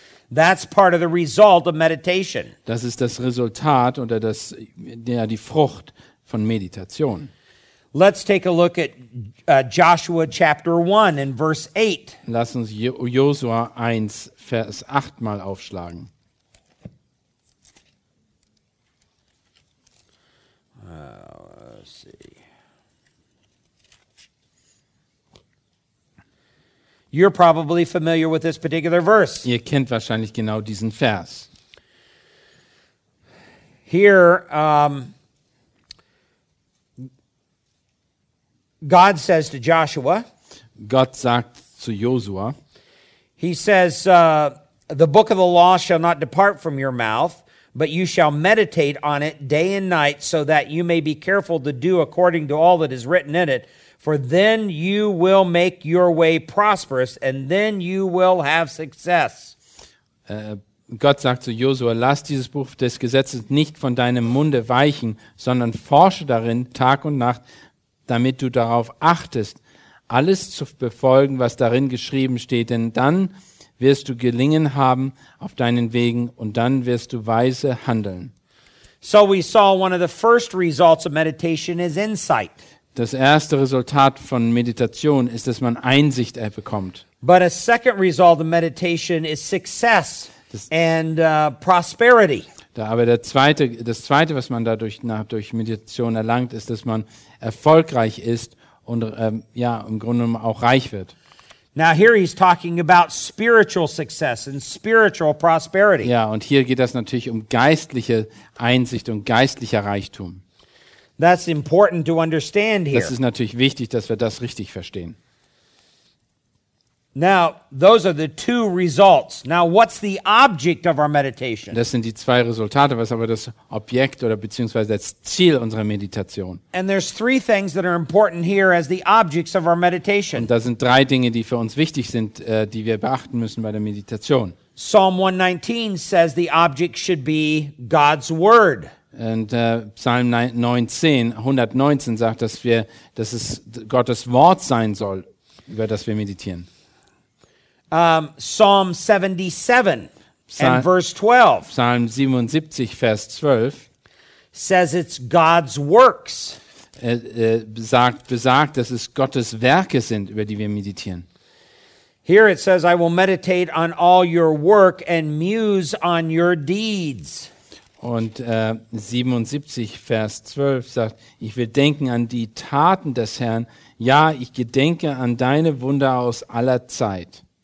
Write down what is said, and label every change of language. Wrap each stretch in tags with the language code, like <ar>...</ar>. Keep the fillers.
<en>That's part of the result of meditation.</en> <de>Das ist das Resultat oder das, ja, die Frucht von Meditation. Mm.</de> <en>Let's take a look at uh, Joshua chapter 1 and verse 8.</en> <de>Lass uns Josua 1 Vers 8 mal aufschlagen.</de> <en>Uh, let's see. You're probably familiar with this particular verse.</en> <de>Ihr kennt wahrscheinlich genau diesen Vers.</de> <en>Here um, God says to Joshua.</en> <de>Gott sagt zu Joshua.</de> <en>He says, uh, "The book of the law shall not depart from your mouth, but you shall meditate on it day and night, so that you may be careful to do according to all that is written in it. For then you will make your way prosperous, and then you will have success."</en> <de>Uh, Gott sagt zu Josua, lass dieses Buch des Gesetzes nicht von deinem Munde weichen, sondern forsche darin Tag und Nacht, damit du darauf achtest, alles zu befolgen, was darin geschrieben steht, denn dann wirst du gelingen haben auf deinen Wegen und dann wirst du weise handeln.</de> <en>So we saw one of the first results of meditation is insight.</en> <de>Das erste Resultat von Meditation ist, dass man Einsicht bekommt.</de> <en>But a second result of meditation is success das, and uh, prosperity.</en> <de>Da, aber zweite, das zweite, was man dadurch nach, durch Meditation erlangt, ist, dass man erfolgreich ist und ähm, ja im Grunde genommen auch reich wird. Ja, und hier geht das natürlich um geistliche Einsicht und geistlicher Reichtum. Das ist natürlich wichtig, dass wir das richtig verstehen.</de> <en>Now, those are the two results. Now, what's the object of our meditation?</en> <de>Das sind die zwei Resultate, was aber das Objekt oder beziehungsweise das Ziel unserer Meditation.</de> <en>And there's three things that are important here as the objects of our meditation.</en> <de>Und da sind drei Dinge, die für uns wichtig sind, uh, die wir beachten müssen bei der Meditation.</de> <en>Psalm 119 says the object should be God's word.</en> <de>Und uh, Psalm 19, 9, 119 sagt, dass wir, dass es Gottes Wort sein soll, über das wir meditieren.</de> <en>Um, Psalm 77 and verse 12. Psalm 77, verse 12 says it's God's works.</en> <de>Äh, äh, besagt, dass es Gottes Werke sind, über die wir meditieren.</de> <en>Here it says, I will meditate on all your work and muse on your deeds.</en> <de>Und äh, 77, Vers 12 sagt, ich will denken an die Taten des Herrn. Ja, ich gedenke an deine Wunder aus aller Zeit.</de>